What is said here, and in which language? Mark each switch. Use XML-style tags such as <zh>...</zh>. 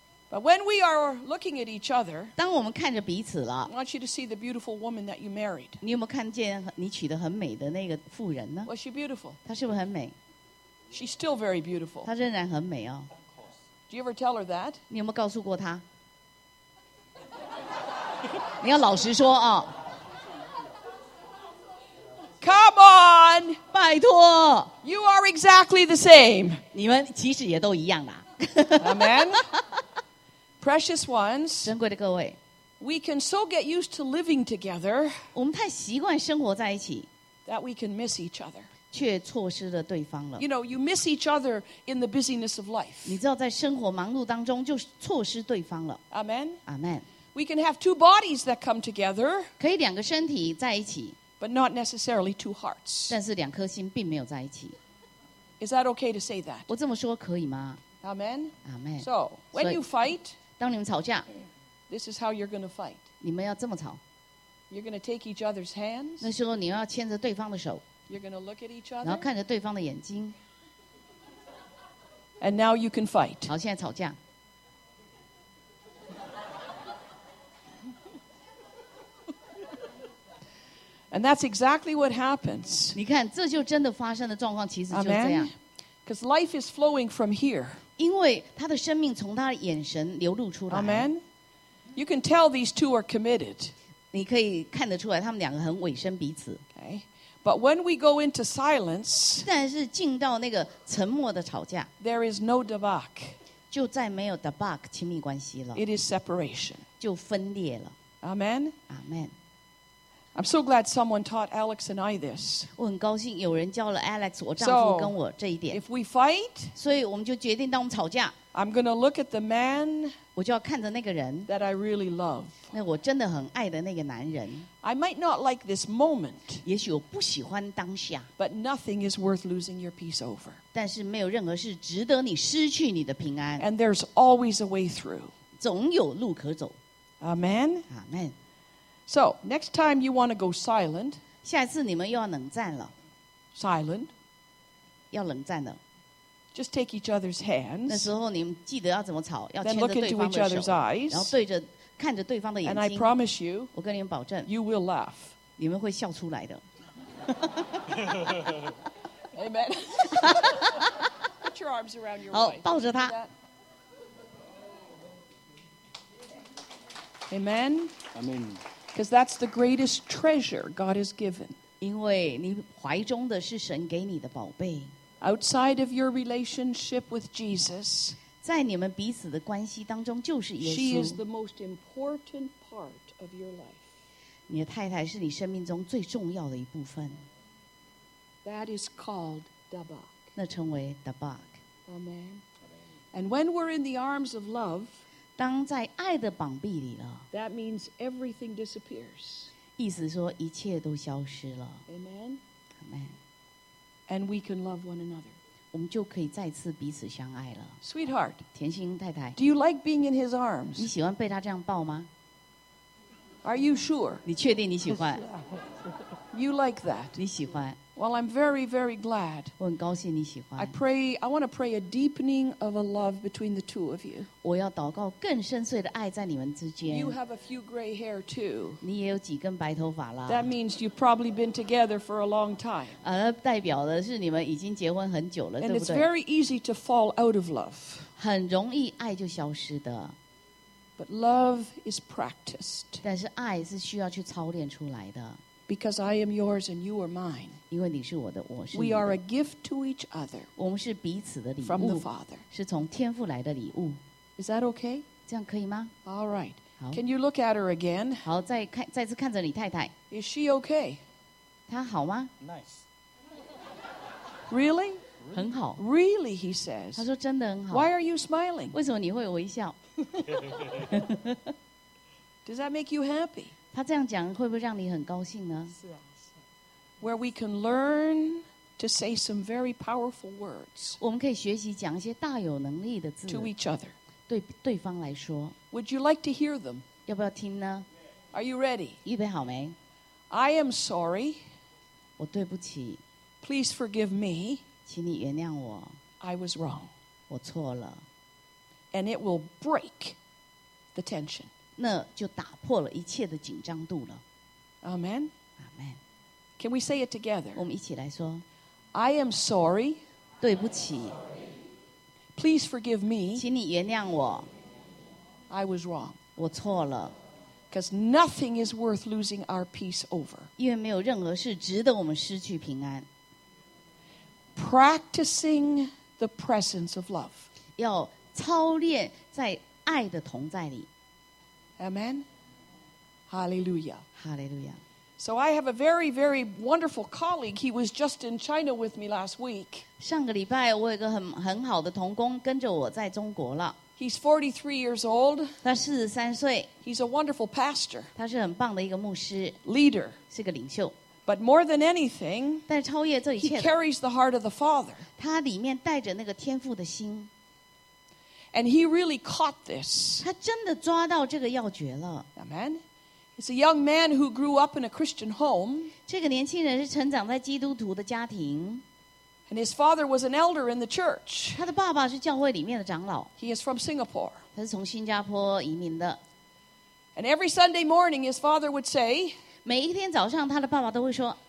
<en>But when we are looking at each other,</en> <zh>当我们看着彼此了，</zh> <en>I want you to see the beautiful woman that you married.</en> <zh>你有没有看见你娶的很美的那个妇人呢？</zh> <en>Was she beautiful?</en> <zh>她是不是很美？</zh> <en>She's still very beautiful.</en> <zh>她仍然很美哦。</zh> <en>Of course. Do you ever tell her that?</en> <zh>你有没有告诉过她？你要老实说啊。</zh> <en>Come on!</en> <zh>拜托。</zh> <en>You are exactly the same.</en> <zh>你们其实也都一样啦。</zh> <en>Amen? Precious ones,</en> <zh>珍贵的各位，</zh> <en>we can so get used to living together,</en> <zh>我们太习惯生活在一起，</zh> <en>that we can miss each other,</en> <zh>却错失了对方了。</zh> <en>You know, you miss each other in the busyness of life.</en> <zh>你知道在生活忙碌当中就错失对方了。</zh> <en>Amen. Amen. We can have two bodies that come together,</en> <zh>可以两个身体在一起，</zh> <en>but not necessarily two hearts.</en> <zh>但是两颗心并没有在一起。</zh> <en>Is that okay to say that?</en> <zh>我这么说可以吗？</zh> <en>Amen. Amen. So when you fight.</en> <zh>当你们吵架，</zh> <en>This is how you're going to fight.</en> <zh>你们要这么吵。</zh> <en>You're going to take each other's hands.</en> <zh>那时候你要牵着对方的手。</zh> <en>You're going to look at each other.</en> <zh>然后看着对方的眼睛。</zh> <en>And now you can fight.</en> <zh>好，现在吵架。</zh> <en>And that's exactly what happens.</en> <zh>你看，这就真的发生的状况，其实就这样。</zh> <en>Because life is flowing from here.</en> <zh>因为他的生命从他的眼神流露出来。</zh> <en>Amen. You can tell these two are committed.</en> <zh>你可以看得出来他们两个很委身彼此。</zh> <en>Okay. But when we go into silence,</en> <zh>但是进到那个沉默的吵架，</zh> <en>there is no debak.</en> <zh>就再没有 debak 亲密关系了。</zh> <en>It is separation.</en> <zh>就分裂了。</zh> <en>Amen. Amen. I'm so glad someone taught Alex and I this.</en> <zh>我很高兴有人教了 Alex 我丈夫跟我这一点。</zh> <en>So, if we fight,</en> <zh>所以我们就决定当我们吵架。</zh> <en>I'm going to look at the man,</en> <zh>我就要看着那个人。</zh> <en>That I really love.</en> <zh>那我真的很爱的那个男人。</zh> <en>I might not like this moment.</en> <zh>也许我不喜欢当下。</zh> <en>But nothing is worth losing your peace over.</en> <zh>但是没有任何事值得你失去你的平安。</zh> <en>And there's always a way through.</en> <zh>总有路可走。</zh> <en>Amen. Amen. So, next time you want to go silent,</en> <zh>下一次你们又要冷战了。</zh> <en>Silent,</en> <zh>要冷战了。</zh> <en>Just take each other's hands,</en> <zh>那时候你们记得要怎么吵，要牵着对方的手。</zh> <en>Then look into each other's eyes,</en> <zh>然后对着看着对方的眼睛。</zh> <en>And I promise you,</en> <zh>我跟你们保证，</zh> <en>you will laugh,</en> <zh>你们会笑出来的。</zh> <en>Amen. Put your arms around your</en> <zh>好,</zh> <en>wife.</en> <zh>好，抱着她。</zh> <en>Amen. Amen. Because that's the greatest treasure God has given.</en> <zh>因为你怀中的是神给你的宝贝。</zh> <en>Outside of your relationship with Jesus,</en> <zh>在你们彼此的关系当中就是耶稣。</zh> <en>She is the most important part of your life.</en> <zh>你的太太是你生命中最重要的一部分。</zh> <en>That is called Dabak.</en> <zh>那称为 Dabak.</zh> <en>Amen. And when we're in the arms of love,</en> <zh>当在爱的膀臂里了</zh> <en>That means everything disappears.</en> <zh>意思说一切都消失了</zh> <en>Amen. Amen. And we can love one another.</en> <zh>我们就可以再次彼此相爱了</zh> <en>Sweetheart.</en> <zh>甜心太太</zh> <en>Do you like being in his arms?</en> <zh>你喜欢被他这样抱吗</zh> <en>Are you sure?</en> <zh>你确定你喜欢</zh> <en>You like that.</en> <zh>你喜欢</zh> <en>Well, I'm very, very glad.</en> <zh>我很高兴你喜欢。</zh> <en>I want to pray a deepening of a love between the two of you.</en> <zh>我要祷告更深邃的爱在你们之间。</zh> <en>You have a few gray hair too.</en> <zh>你也有几根白头发啦。</zh> <en>That means you've probably been together for a long time.</en> <zh>代表的是你们已经结婚很久了，对不对？</zh> <en>And it's very easy to fall out of love.</en> <zh>很容易爱就消失的。</zh> <en>But love is practiced.</en> <zh>但是爱是需要去操练出来的。</zh> <en>Because I am yours and you are mine.</en> <zh>因为你是我的，我是你的。</zh> <en>We are a gift to each other.</en> <zh>我们是彼此的礼物。</zh> <en>From the Father.</en> <zh>是从天父来的礼物。</zh> <en>Is that okay?</en> <zh>这样可以吗？</zh> <en>All right.</en> <zh>好。</zh> <en>Can you look at her again?</en> <zh>好，再次看着你太太。</zh> <en>Is she okay?</en> <zh>她好吗？</zh> <en>Nice. Really?</en> <zh>很好。</zh> <en>Really, he says.</en> <zh>她说真的很好。</zh> <en>Why are you smiling?</en> <zh>为什么你会微笑？</zh> <en>Does that make you happy?</en> <zh>他这样讲会不会让你很高兴呢？是啊，是啊。</zh> <en>Where we can learn to say some very powerful words.</en> <zh>我们可以学习讲一些大有能力的字。</zh> <en>To each other.</en> <zh>对方来说。</zh> <en>Would you like to hear them?</en> <zh>要不要听呢？</zh> <en>Are you ready?</en> <zh>预备好没？</zh> <en>I am sorry.</en> <zh>我对不起。</zh> <en>Please forgive me.</en> <zh>请你原谅我。</zh> <en>I was wrong.</en> <zh>我错了。</zh> <en>And it will break the tension.</en> <zh>那就打破了一切的紧张度了。</zh> <en>Amen. Amen. Can we say it together?</en> <zh>我们一起来说。</zh> <en>I am sorry.</en> <zh>对不起。</zh> <en>Please forgive me.</en> <zh>请你原谅我。</zh> <en>I was wrong.</en> <zh>我错了。</zh> <en>Because nothing is worth losing our peace over.</en> <zh>因为没有任何事值得我们失去平安。</zh> <en>Practicing the presence of love.</en> <zh>要操练在爱的同在里。</zh> <en>Amen. Hallelujah. Hallelujah. So I have a very, very wonderful colleague. He was just in China with me last week.</en> <zh>上个礼拜我有个很好的同工跟着我在中国了。</zh> <en>He's 43 years old.</en> <zh>他43岁。</zh> <en>He's a wonderful pastor.</en> <zh>他是很棒的一个牧师。</zh> <en>Leader.</en> <zh>是个领袖。</zh> <en>But more than anything,</en> <zh>但是超越这一切的,</zh> <en>he carries the heart of the Father.</en> <zh>他里面带着那个天父的心。</zh> <en>And he really caught this.</en> <zh>他真的抓到这个要诀了。</zh> <en>Amen. It's a young man who grew up in a Christian home.</en> <zh>这个年轻人是成长在基督徒的家庭。</zh> <en>And his father was an elder in the church.</en> <zh>他的爸爸是教会里面的长老。</zh> <en>He is from Singapore.</en> <zh>他是从新加坡移民的。</zh> <en>And every Sunday morning, his father would say,</en> <zh>每一天早上他的爸爸都会说,</zh>